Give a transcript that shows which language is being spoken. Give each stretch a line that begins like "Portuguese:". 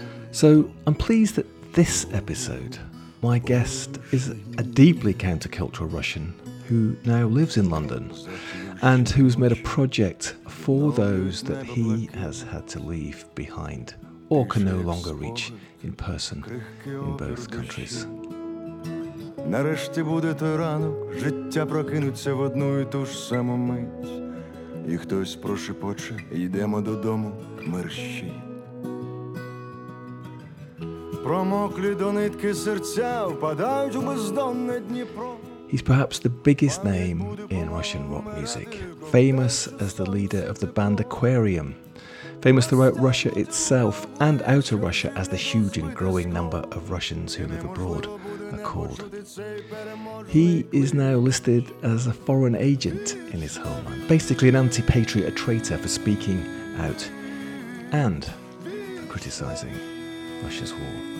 English: So I'm pleased that this episode, my guest is a deeply countercultural Russian who now lives in London and who's made a project for those that he has had to leave behind or can no longer reach in person in both countries.
Ukrainian: Нарешті буде той ранок, життя прокинуться в одну і ту ж саму мить. І хтось прошепоче, йдемо додому, мерщі. Промоклі до нитки серця впадають у бездонне Дніпро.
English: He's perhaps the biggest name in Russian rock music, famous as the leader of the band Aquarium, famous throughout Russia itself and outer Russia as the huge and growing number of Russians who live abroad are called. He is now listed as a foreign agent in his homeland, basically an anti-patriot, a traitor for speaking out and for criticising Russia's war.